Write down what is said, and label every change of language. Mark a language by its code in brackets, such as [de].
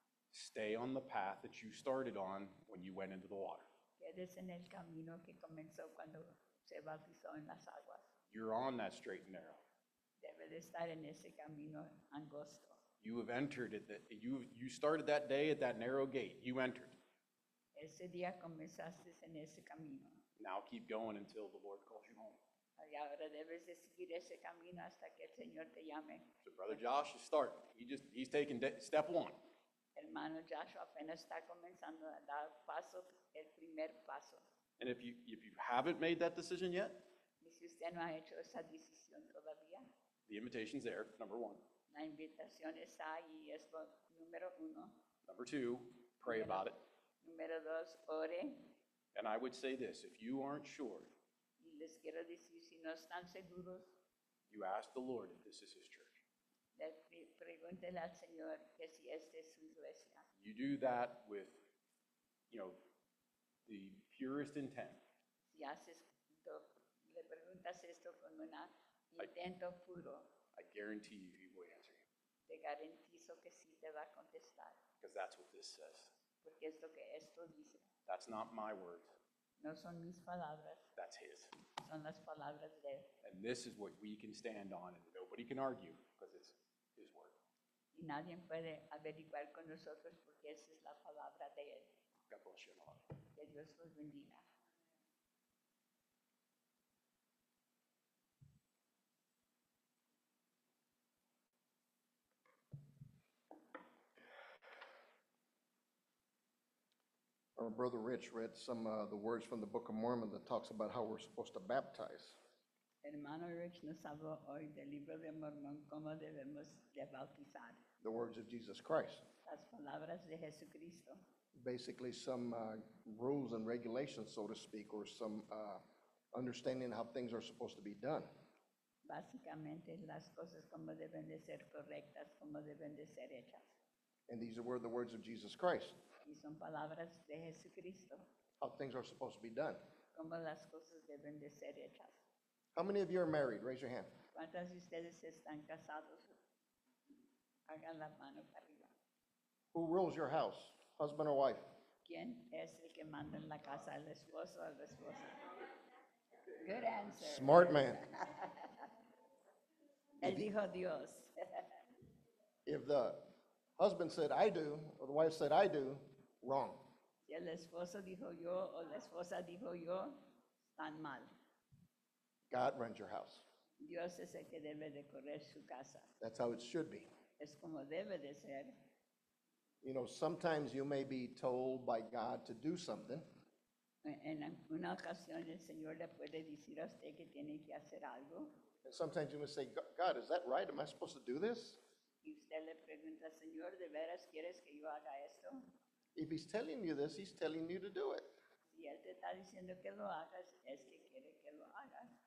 [en] stay on the path that you started on when you went into the water. [es] Quédese en el camino que comenzó cuando se bautizó en las aguas. [en] You're on that straight and narrow. [es] Debe de estar en ese camino angosto. [en] You have entered it. You started that day at that narrow gate. You entered. [es] Ese día comenzaste en ese camino. [en] Now keep going until the Lord calls you home. [es] Y ahora debes de seguir ese camino hasta que el Señor te llame. [en] So Brother Josh is starting. He's taking step one. [es] Hermano Josh apenas está comenzando a dar paso, el primer paso. [en] And if you haven't made that decision yet, [es] y si usted no ha hecho esa decisión todavía, [en] the invitation's there, number one. [es] La invitación está ahí, es lo número uno. [en] Number two, pray about it. [es] Número dos, ore. [en] And I would say this, if you aren't sure, [es] y les quiero decir, si no están seguros, [en] you ask the Lord if this is his church. [es] Pregúntele al Señor que si esta es su iglesia. [en] You do that with, the purest intent. [es] Si haces, le preguntas esto con un intento puro, [en] I guarantee you he will answer you. [es] Te garantizo que sí te va a contestar. [en] Because that's what this says. [es] Porque es lo que esto dice. [en] That's not my words. [es] No son mis palabras. [en] That's his. [es] Son las palabras de él. [en] And this is what we can stand on, and nobody can argue because it's his word. [es] Y nadie puede averiguar con nosotros porque esa es la palabra de él. [en] God bless you, Lord. [es] Que Dios los bendiga. [en] Our brother Rich read some of the words from the Book of Mormon that talks about how we're supposed to baptize. [es] Hermano Rich nos habló hoy del libro de Mormón cómo debemos de bautizar. [en] The words of Jesus Christ. [es] Las palabras de Jesucristo. [en] Basically, some rules and regulations, so to speak, or some understanding how things are supposed to be done. [es] Básicamente, las cosas cómo deben de ser correctas, cómo deben de ser hechas. [en] And these were the words of Jesus Christ. [es] Y son palabras de Jesucristo. [en] How things are supposed to be done. [es] Como las cosas deben de ser hechas. [en] How many of you are married? Raise your hand. [es] ¿Cuántas de ustedes están casados? Hagan la mano para arriba. [en] Who rules your house? Husband or wife? [es] ¿Quién es el que manda en la casa, el esposo o la esposa? [en] Good answer. Smart man. [es] Él dijo Dios. [en] If the husband said, I do, or the wife said, I do, wrong. [es] Si el esposo dijo yo, o la esposa dijo yo, están mal. [en] God runs your house. [es] Dios es el que debe de correr su casa. [en] That's how it should be. [es] Es como debe de ser. [en] Sometimes you may be told by God to do something. [es] En una ocasión el Señor le puede decir a usted que tiene que hacer algo. [en] And sometimes you may say, God, is that right? Am I supposed to do this? [es] Y usted le pregunta, Señor, ¿de veras quieres que yo haga esto? [en] If he's telling you this, he's telling you to do it. [es] Si él te está diciendo que lo hagas, es que quiere que lo hagas.